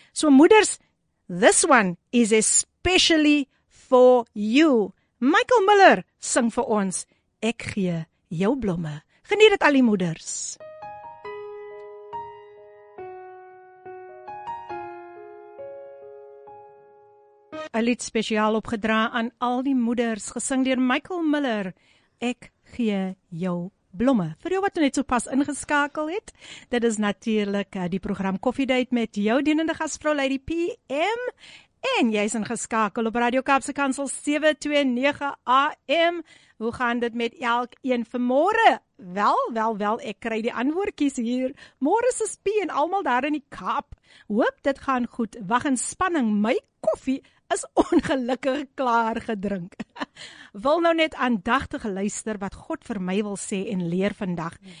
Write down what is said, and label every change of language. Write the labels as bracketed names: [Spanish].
[English] So moeders, this one is especially for you. [Afrikaans] Michael Miller sing vir ons Ek gee jou blomme. Geniet dit al die moeders. Een lied speciaal opgedra aan al die moeders, gesing deur Michael Miller, Ek gee jou blomme. Vir jou wat net so pas ingeskakel het, dit is natuurlijk die program Coffee Date met jou dienende gasvrou Lady PM, en jy is ingeskakel op Radio Kaapse Kansel 729 AM. Hoe gaan dit met elk een vanmôre? Wel, ek kry die antwoordjies hier. Môre se spie en almal daar in die Kaap. Hoop dit gaan goed. Wag in spanning, my koffie is ongelukkig klaar gedrink. Wil nou net aandagtig luister wat God vir my wil sê en leer vandag.